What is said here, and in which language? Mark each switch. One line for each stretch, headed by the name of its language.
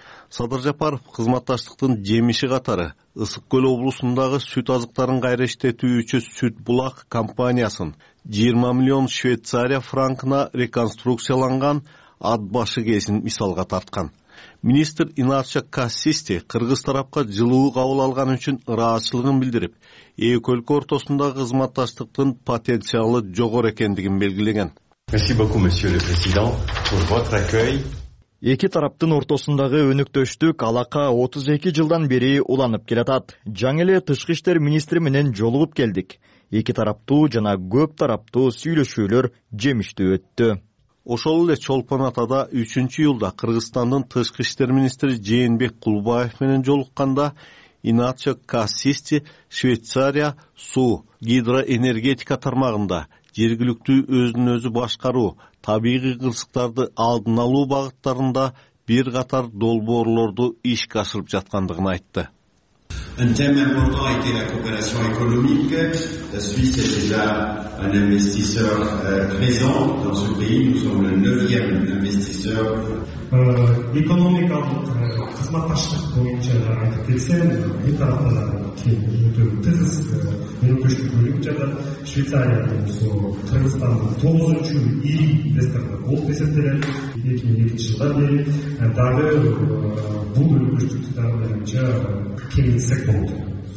Kyrgyz: Садыр Жапаров кызматташтыктын жемиши катары Ысык Көл облусундагы сүт азыктарын кайра иштетүүчү Сүт Булак компаниясын 20 млн Швейцария франкына реконструкцияланган ат башы кезин мисалга тарткан. Министр Иначо Кассисти кыргыз тарапка жылуу кабыл алган үчүн ыраазычылыгын билдирип, эки өлкө ортосундагы кызматташтыктын потенциалы жогору экендигин белгилеген.
French: Merci beaucoup monsieur le président pour votre accueil.
Kyrgyz: Эки тараптын ортосундагы өнөктөштүк алака 32 жылдан бери уланып келатат. Жаңы эле тышкы иштер министри менен жолугуп келдик. Эки тараптуу жана көп тараптуу сүйлөшүүлөр жемиштүү өттү. Ошол эле Чолпон Атада 3-июлда Кыргызстандын тышкы иштер министри Жээнбек Кулбаев менен жолукканда Иначо Кассисти Швейцария суу, гидроэнергетика тармагында жергиликтүү өзүн өзү башкаруу, табигый кырсыктарды алдын алуу багыттарында бир катар долбоорлорду ишке ашырып жаткандыгын айтты.
French: Un thème important a été la coopération économique. La Suisse est déjà un investisseur présent dans ce pays. Nous sommes le 9e investisseur.
Kyrgyz: Экономика кызматташтык боюнча айтып кетсем, бир тараптан кийин өтө тыгыз мүнөкөштүк өнүп жатат. Швейцария болсо Кыргызстандын 9-чу ири инвесторго болуп эсептелет. 2002 жылга бери дагы бул мүнөкөштүктөр боюнча кеңейсек болот.